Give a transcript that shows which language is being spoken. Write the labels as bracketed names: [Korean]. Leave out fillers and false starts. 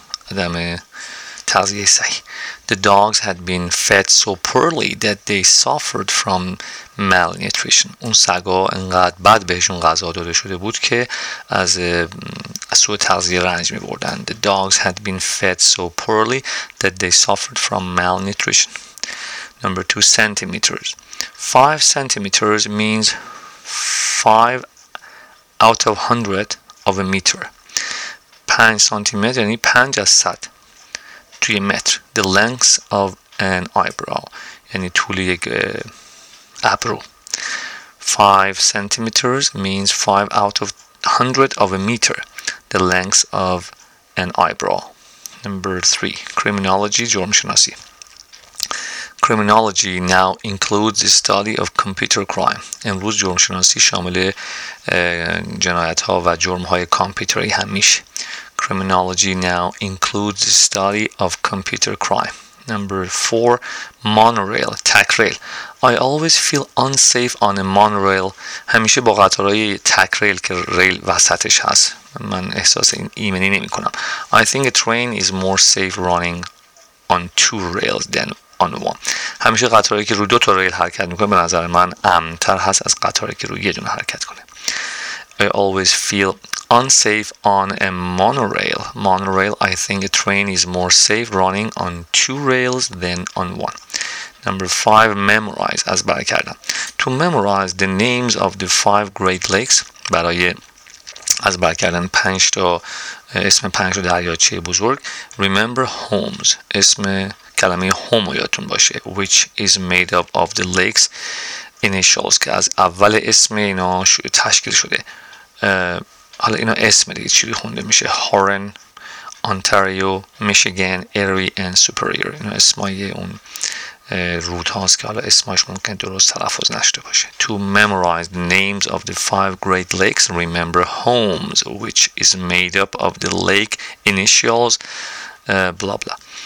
[English] Adam tells you, say, the dogs had been fed so poorly that they suffered from malnutrition. [Persian] اون سگا انقدر بد بهشون غذا داده شده بود که از سوء تغذیه رنج می بردن. [English] The dogs had been fed so poorly that they suffered from malnutrition. Number two, centimeters. 5 centimeters means 5 out of 100 of a meter. [Persian] 5 سانتیمتر یعنی 5 از 100 توی متر. [English] The length of an eyebrow [Persian] یعنی طول یک ابرو. [English] 5 centimeters means 5 out of 100 of a meter. The length of an eyebrow. Number 3. Criminology, جرمشناسی. Criminology now includes the study of computer crime. [Persian] امروز جرمشناسی شامل جنایت ها و جرم های کامپیوتری هم میشه. [English] Criminology now includes the study of computer crime. Number 4, monorail, تک ریل. I always feel unsafe on a monorail. [Persian] همیشه با قطارهای تک ریل که ریل وسطش هست من احساس ایمنی نمی کنم. [English] I think a train is more safe running on 2 rails than on 1. [Persian] همیشه قطارهایی که رو 2 تا ریل حرکت میکنه به نظر من امن‌تر هست از قطارهایی که رو 1 دونه حرکت کنه. [English] I always feel unsafe on a monorail. Monorail, I think a train is more safe running on 2 rails than on 1. Number 5, memorize. [Persian] از بر کردن. [English] To memorize the names of the 5 Great Lakes. [Persian] برای از بر کردن 5 تا اسم 5 تا دریاچه بزرگ. [English] Remember homes. [Persian] اسم کلمه home یادتون باشه. [English] Which is made up of the lakes initials. [Persian] که از اول اسم اینا تشکیل شده. حالا اینا اسم دیگه چی خونده میشه؟ هورن، اونتاریو، میشیگان، اری و سوپریور. اینا اسمای اون رود هاست که حالا اسمش ممکن درست تلفظ نشده باشه. [English] To memorize the names of the 5 Great Lakes, remember homes, which is made up of the lake initials, blah blah.